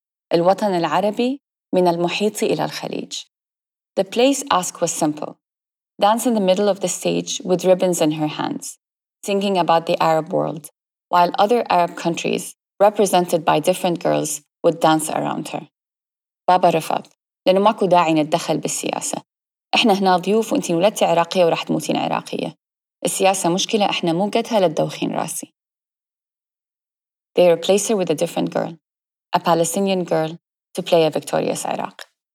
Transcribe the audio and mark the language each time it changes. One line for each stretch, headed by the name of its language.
English: Al-Watan al-Arabi, min al-Muhiti ila al-Khalij. The play's ask was simple. Dance in the middle of the stage with ribbons in her hands, singing about the Arab world, while other Arab countries, represented by different girls, would dance around her.
Arabic: Baba Rafat, لأنه ماكو داعي ندخل بالسياسة. إحنا هنا ضيوف وإنتي ولدتي عراقية ورح تموتين عراقية. السياسة مشكلة إحنا مو قدها للدوخين راسي.
English: They replace her with a different girl, a Palestinian girl, to play a victorious Iraq.